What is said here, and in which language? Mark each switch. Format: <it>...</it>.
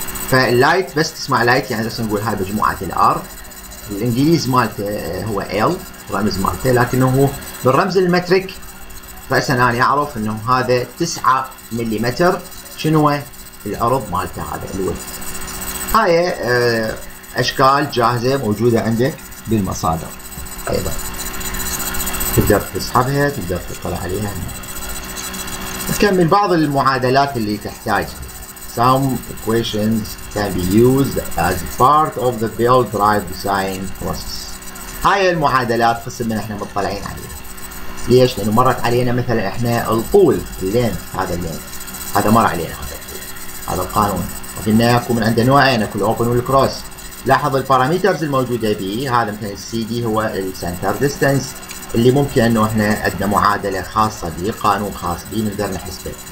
<ar>فاللايت بس تسمع لايت، يعني بس نقول هاي بجموعة الR، الإنجليز مالته هو L رمز مالته، لكنه بالرمز المتريك فأسنا أنا أعرف أنه هذا 9 مليمتر، شنو العرض مالته هذا الويت. هاي اشكال جاهزة موجودة عندك بالمصادر، ايضا تقدر تسحبها تقدر تطلع عليها. نكمل بعض المعادلات اللي تحتاج.</ar> <en>Some equations can be used as part of the build drive design process.</en> <ar>هاي المعادلات قسم من احنا مطلعين عليها، ليش؟ لانه مرت علينا مثلا احنا الطول اللينث، هذا اللينث هذا مر علينا، هذا القانون. وقلنا يكون من عند نوعين كل open والcross. لاحظ الباراميترز الموجودة به، هذا مثلا CD هو center distance اللي ممكن انه احنا عندنا معادلة خاصة به، قانون خاص به نقدر نحسبه.</ar>